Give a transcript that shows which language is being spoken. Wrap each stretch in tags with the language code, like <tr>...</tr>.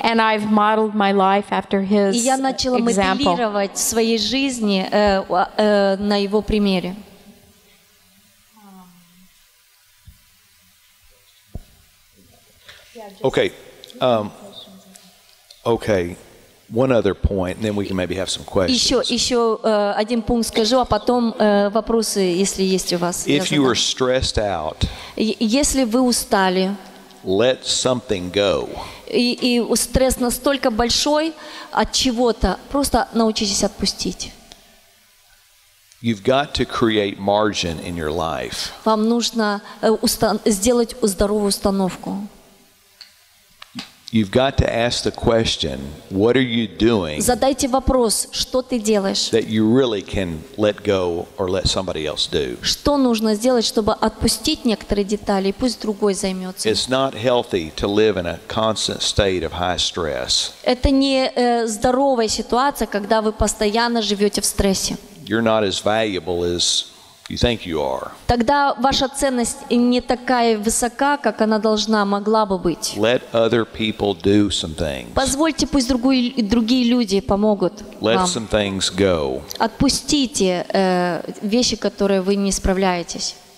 <en>And I've modeled my life after his example.</en> <ru>Я начала моделировать в своей жизни на его примере.</ru> <en>Okay. Okay. One other point, and then we can maybe have some questions.</en> <ru>Еще один пункт скажу, а потом вопросы, если есть у вас.</ru> <en>If you are stressed out,</en> <ru>если вы устали,</ru> <en>let something go.</en> <ru>И стресс настолько большой от чего-то, просто научитесь отпустить.</ru> <en>You've got to create margin in your life.</en> <ru>Вам нужно сделать здоровую установку.</ru> <en>You've got to ask the question, what are you doing?</en> <ru>Задайте вопрос, что ты делаешь?</ru> <en>That you really can let go or let somebody else do.</en> <ru>Что нужно сделать, чтобы отпустить некоторые детали, пусть другой займётся?</ru> <en>It's not healthy to live in a constant state of high stress.</en> <ru>Это не здоровая ситуация, когда вы постоянно живёте в стрессе.</ru> <en>You're not as valuable as you think you are.</en> <ru>Тогда ваша ценность не такая высока, как она должна могла бы быть.</ru> <en>Let other people do some things.</en> <ru>Позвольте, пусть другие люди помогут вам.</ru> <en>Let some things go.</en> <ru>Отпустите вещи, которые вы не справляетесь.</ru>